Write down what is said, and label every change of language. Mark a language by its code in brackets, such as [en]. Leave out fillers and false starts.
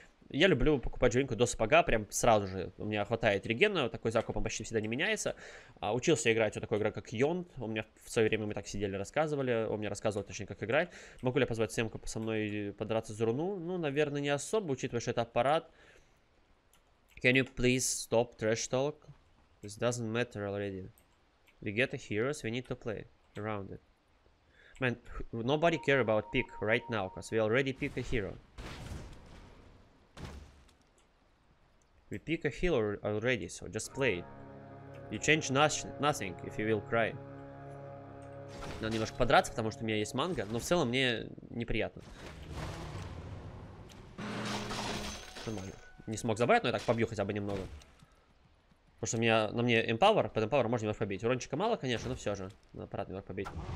[ru] Я люблю покупать джавелинку до сапога, прям сразу же. У меня хватает регена, такой закуп он почти всегда не меняется. Учился играть вот такой игрок, как Йонд. У меня в свое время мы так сидели, рассказывали. Он мне рассказывал точнее, как играть. Могу ли я позвать Семку со мной подраться за руну? Ну, наверное, не особо, учитывая, что это аппарат. [en] Can you please stop trash talk? This doesn't matter already. We get the heroes, we need to play around it. Man, nobody care about pick right now, because we already pick a hero. We pick a hill already, so just play. You change nothing if you will cry. [ru] Надо немножко подраться, потому что у меня есть манга, но в целом мне неприятно. Нормально. Не смог забрать, но я так побью хотя бы немного. Потому что у меня на мне эмпауэр, под эмпауэр можно немножко побить. Урончика мало, конечно, но все же. Надо аппарат немножко побить.